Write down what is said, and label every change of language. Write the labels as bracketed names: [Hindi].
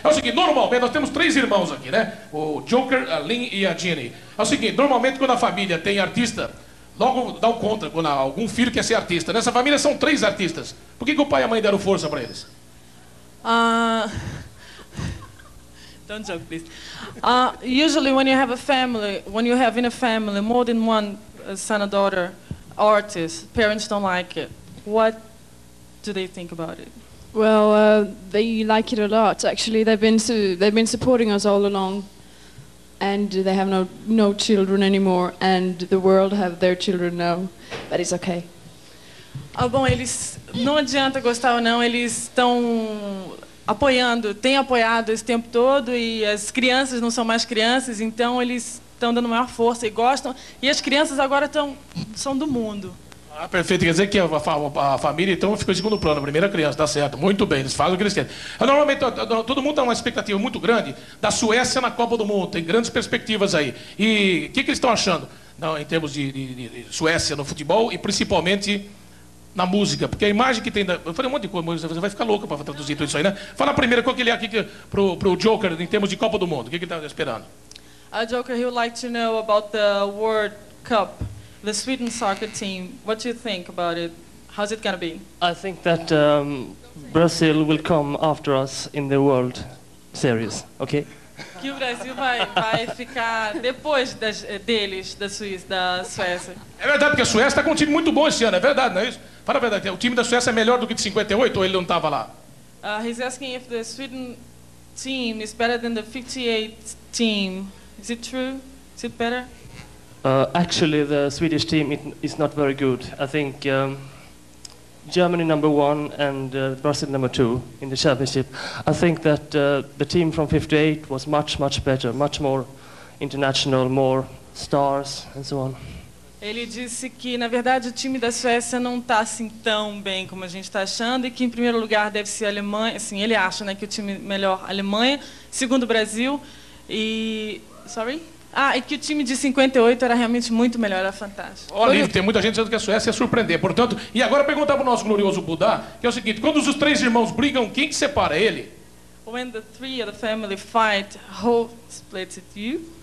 [Portuguese] É o seguinte, normalmente nós temos três irmãos aqui, né? O Joker, a Lynn e a Jenny. É o seguinte, normalmente quando a família tem artista, logo dá um contra quando algum filho quer ser artista. Nessa família são três artistas. Por que que o pai e a mãe deram força para eles? [English] Don't joke, please. Usually when you have a family, when you have in a family more than one son or daughter, artists, parents don't like it. What do they think about it? Well, they like it a lot. Actually, they've been supporting us all along, and they have no children anymore, and the world have their children now, but it's okay. [Portuguese] Ah, bom, eles não adianta gostar ou não, eles estão apoiando, têm apoiado esse tempo todo, e as crianças não são mais crianças, então eles estão dando maior força e gostam. E as crianças agora são do mundo. Ah, perfeito. Quer dizer que a família, então, ficou em segundo plano. Primeira criança, tá certo. Muito bem, eles fazem o que eles querem. Normalmente, todo mundo tem uma expectativa muito grande da Suécia na Copa do Mundo. Tem grandes perspectivas aí. E o que eles estão achando em termos de Suécia no futebol e principalmente na música? Porque a imagem que tem... Eu falei um monte de coisa, você vai ficar louca para traduzir tudo isso aí, né? Fala primeiro, qual que ele é aqui pro Joker em termos de Copa do Mundo? O que ele está esperando? [English] A Joker, he would like to know about the World Cup, the Sweden soccer team. What do you think about it? How's it going to be? I think that Brazil will come after us in the World Series, okay? [Portuguese] que o Brasil vai ficar depois da Suécia. É verdade, porque a Suécia está com um time muito bom esse ano, é verdade, não é isso? Fala a verdade, o time da Suécia é melhor do que de 58 ou ele não estava lá? [English] He's asking if the Sweden team is better than the 58 team. Is it true? Is it better? Actually, the Swedish team is not very good. I think Germany number one and Brazil number two in the championship. I think that the team from 58 was much, much better, much more international, more stars and so on. [Portuguese] Ele disse que, na verdade, o time da Suécia não está assim tão bem como a gente está achando e que, em primeiro lugar, deve ser a Alemanha. Assim, ele acha, né, que o time melhor é a Alemanha, segundo o Brasil e... Sorry? Ah, e que o time de 58 era realmente muito melhor, era fantástico. Olha, tem muita gente dizendo que a Suécia ia surpreender, portanto... E agora perguntar para o nosso glorioso Budá, que é o seguinte, quando os três irmãos brigam, quem que separa ele? [English] When the three of the family fight, who splits it, you?